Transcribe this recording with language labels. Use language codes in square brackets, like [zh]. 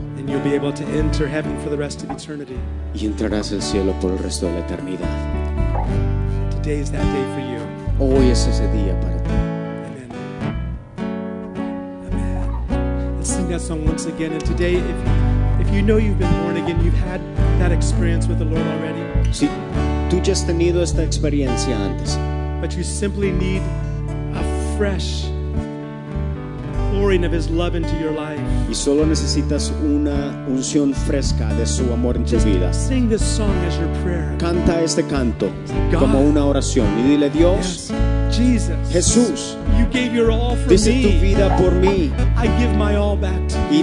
[en] And you'll be able to enter heaven for the rest of eternity. [es] Y entrarás al cielo por el resto de la eternidad. [en] Today is that day for you. [es] Hoy es ese día para ti. [en] That song once again. And today, if you know you've been born again, you've had that experience with the Lord already. [es] Si, tú ya has tenido esta experiencia antes. [en] But you simply need a fresh pouring of His love into your life. [es] Y solo necesitas una unción fresca de su amor en [en] just [es] tu vida. [en] Sing this song as your prayer. [es] Canta este canto [en] God, [es] como una oración y dile Dios. [en] Yes. Jesus, [es] Jesús, [en] you gave your all for me. [es] Tu vida por mí. [en] I give my all back to you.